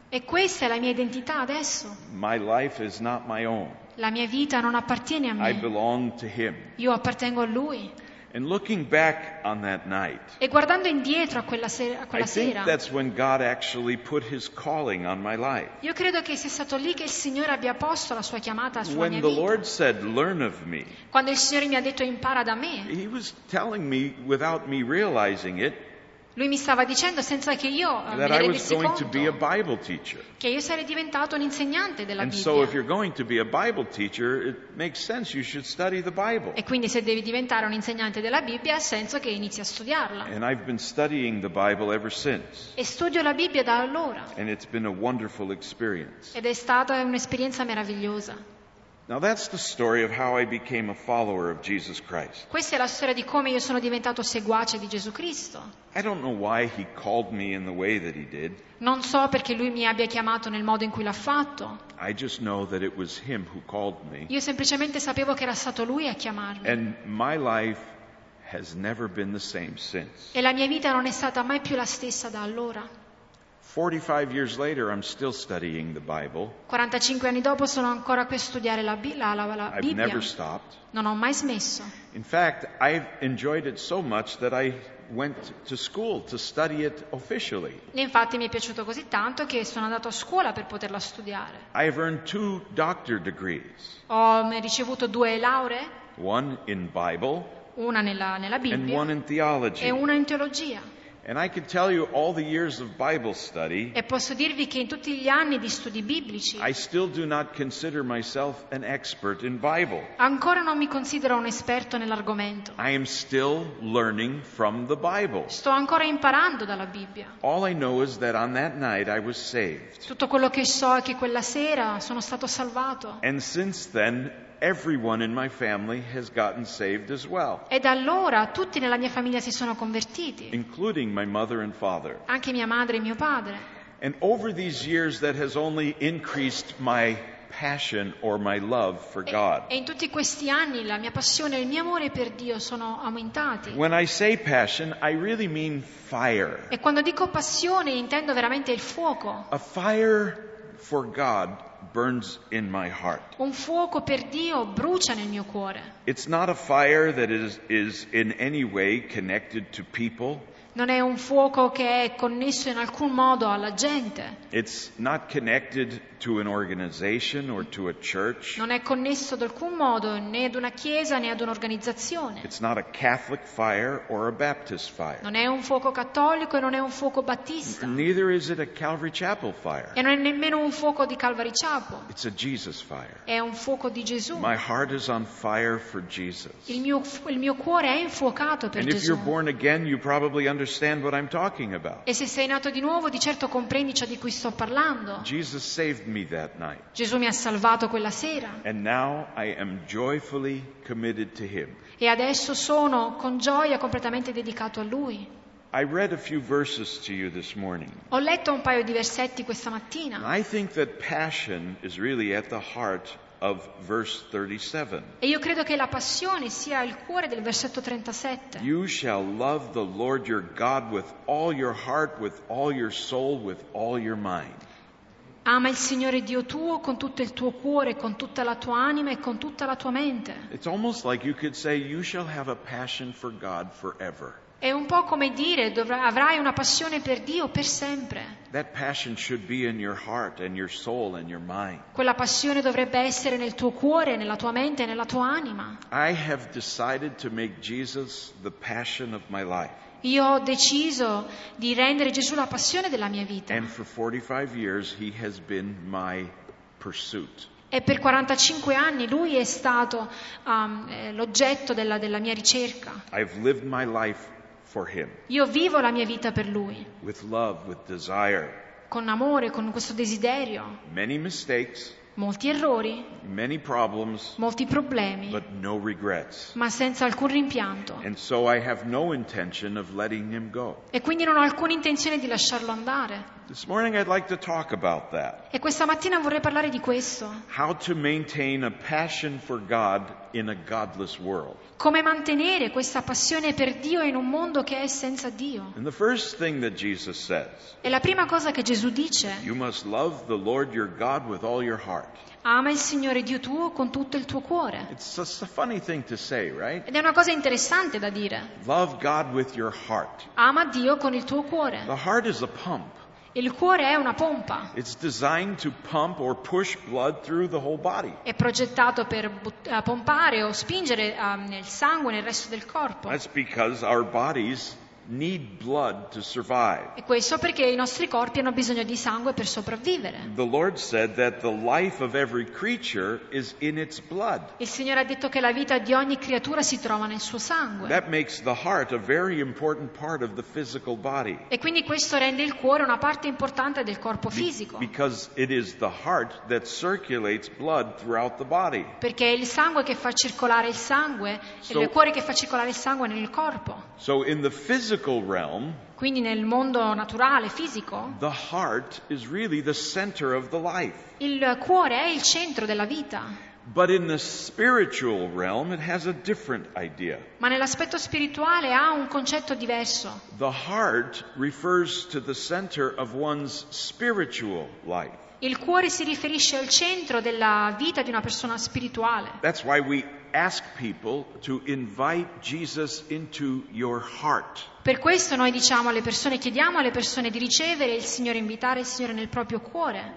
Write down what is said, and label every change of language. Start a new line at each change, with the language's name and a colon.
Italian: E questa è la mia identità adesso.
English: My life is not my own.
Italian: La mia vita non appartiene a me.
English: I belong to him.
Italian: Io appartengo a lui.
English: And looking back on that night,
Italian: e guardando indietro a quella sera,
English: that's when God actually put His calling on my life.
Italian: Io credo che sia stato lì che il Signore abbia posto la sua chiamata sulla
English: when
Italian: mia vita.
English: When the Lord said, "Learn of me,"
Italian: quando il Signore mi ha detto impara da me,
English: He was telling me without me realizing it.
Italian: Lui mi stava dicendo senza che io
English: that
Italian: me
English: I was going
Italian: conto,
English: to be a Bible teacher.
Italian: Che io sarei diventato un insegnante della
English: and
Italian: Bibbia.
English: And so if you're going to be a Bible teacher, it makes sense you should study the Bible.
Italian: E quindi se devi diventare un insegnante della Bibbia, ha senso che inizi a studiarla.
English: And I've been studying the Bible ever since.
Italian: E studio la Bibbia da allora.
English: And it's been a wonderful experience.
Italian: Ed è stata un'esperienza meravigliosa.
English: Now that's the story of how I became a follower of Jesus Christ.
Italian: Questa è la storia di come io sono diventato seguace di Gesù Cristo.
English: I don't know why he called me in the way that he did.
Italian: Non so perché lui mi abbia chiamato nel modo in cui l'ha fatto.
English: I just know that it was him who called me.
Italian: Io semplicemente sapevo che era stato lui a chiamarmi.
English: And my life has never been the same since.
Italian: E la mia vita non è stata mai più la stessa da allora.
English: 45 years later I'm still studying the Bible.
Italian: 45 anni dopo sono ancora qui a studiare la Bibbia.
English: I've never stopped.
Italian: Non ho mai smesso.
English: In fact, I've enjoyed it so much that I went to school to study it officially.
Italian: Infatti mi è piaciuto così tanto che sono andato a scuola per poterla studiare.
English: I have earned two doctor degrees.
Italian: Ho ricevuto due lauree.
English: One in Bible.
Italian: Una nella Bibbia.
English: And one in theology.
Italian: E una in teologia.
English: And I can tell you all the years of Bible study.
Italian: E posso dirvi che in tutti gli anni di studi biblici.
English: I still do not consider myself an expert in Bible.
Italian: Ancora non mi considero un esperto nell'argomento.
English: I am still learning from the Bible.
Italian: Sto ancora imparando dalla Bibbia.
English: All I know is that on that night I was saved.
Italian: Tutto quello che so è che quella sera sono stato salvato.
English: And since then everyone in my family has gotten saved as well.
Italian: E da allora tutti nella mia famiglia si sono convertiti.
English: Including my mother and father.
Italian: Anche mia madre e mio padre.
English: And over these years that has only increased my passion or my love for God.
Italian: E in tutti questi anni la mia passione e il mio amore per Dio sono aumentati.
English: When I say passion, I really mean fire.
Italian: E quando dico passione intendo veramente il fuoco.
English: A fire for God burns in my heart.
Italian: Un fuoco per Dio brucia nel mio cuore.
English: It's not a fire that is in any way connected to people.
Italian: Non è un fuoco che è connesso in alcun modo alla gente.
English: It's not connected to an organization or to a church.
Italian: Non è connesso ad alcun modo né ad una chiesa né ad un'organizzazione.
English: It's not a Catholic fire or a Baptist fire.
Italian: Non è un fuoco cattolico e non è un fuoco battista.
English: Neither is it a Calvary Chapel fire.
Italian: E non è nemmeno un fuoco di Calvary Chapel.
English: It's a Jesus fire.
Italian: È un fuoco di Gesù.
English: My heart is on fire for Jesus.
Italian: Il mio cuore è infuocato per Gesù.
English: And if you're born again, you probably understand what I'm talking about.
Italian: E se sei nato di nuovo, di certo comprendi ciò di cui sto parlando.
English: Jesus saved me that night.
Italian: Gesù mi ha salvato quella sera.
English: And now I am joyfully committed to him.
Italian: E adesso sono con gioia completamente dedicato a lui.
English: I read a few verses to you this morning.
Italian: Ho letto un paio di versetti questa mattina.
English: I think that passion is really at the heart of verse 37.
Italian: E io credo che la passione sia il cuore del versetto 37.
English: You shall love the Lord your God with all your heart, with all your soul, with all your mind.
Italian: Ama il Signore Dio tuo con tutto il tuo cuore, con tutta la tua anima e con tutta la tua mente.
English: It's almost like you could say you shall have a passion for God forever.
Italian: È un po' come dire avrai una passione per Dio per sempre.
English: That passion should be in your heart and your soul and your mind.
Italian: Quella passione dovrebbe essere nel tuo cuore, nella tua mente e nella tua anima.
English: I have decided to make Jesus the passion of my life.
Italian: Io ho deciso di rendere Gesù la passione della mia vita.
English: And for 45 years he has been my pursuit.
Italian: E per 45 anni lui è stato l'oggetto della mia ricerca.
English: I've lived my life for him.
Italian: Io vivo la mia vita per lui.
English: With love, with desire.
Italian: Con amore, con questo desiderio.
English: Many mistakes.
Italian: Molti errori.
English: Many problems.
Italian: Molti problemi.
English: But no regrets.
Italian: Ma senza alcun rimpianto.
English: And so I have no intention of letting him go.
Italian: E quindi non ho alcuna intenzione di lasciarlo andare.
English: This morning I'd like to talk about that.
Italian: E questa mattina vorrei parlare di questo.
English: How to maintain a passion for God in a godless world.
Italian: Come mantenere questa passione per Dio in un mondo che è senza Dio.
English: And the first thing that Jesus says.
Italian: E la prima cosa che Gesù dice.
English: You must love the Lord your God with all your heart.
Italian: Ama il Signore Dio tuo con tutto il tuo cuore.
English: It's a funny thing to say, right?
Italian: Ed è una cosa interessante da dire.
English: Love God with your heart.
Italian: Ama Dio con il tuo cuore.
English: The heart is a pump.
Italian: Il cuore è una pompa.
English: It's designed to pump or push blood through the whole body.
Italian: È progettato per pompare o spingere nel sangue nel resto del corpo.
English: That's because our bodies need blood to survive.
Italian: E questo perché i nostri corpi hanno bisogno di sangue per sopravvivere.
English: The Lord said that the life of every creature is in its blood.
Italian: Il Signore ha detto che la vita di ogni creatura si trova nel suo sangue.
English: That makes the heart a very important part of the physical body.
Italian: E quindi questo rende il cuore una parte importante del corpo fisico.
English: Because it is the heart that circulates blood throughout the body.
Italian: Perché è il sangue che fa circolare il sangue, è il cuore che fa circolare il sangue nel corpo.
English: So in the physical realm.
Italian: Quindi nel mondo naturale, fisico.
English: The heart is really the center of the life.
Italian: Il cuore è il centro della vita.
English: But in the spiritual realm it has a different idea.
Italian: Ma nell'aspetto spirituale ha un concetto diverso.
English: The heart refers to the center of one's spiritual life.
Italian: Il cuore si riferisce al centro della vita di una persona spirituale.
English: That's why we ask people to invite Jesus into your heart.
Italian: Per questo noi diciamo alle persone, chiediamo alle persone di ricevere il Signore, invitare il Signore nel proprio cuore.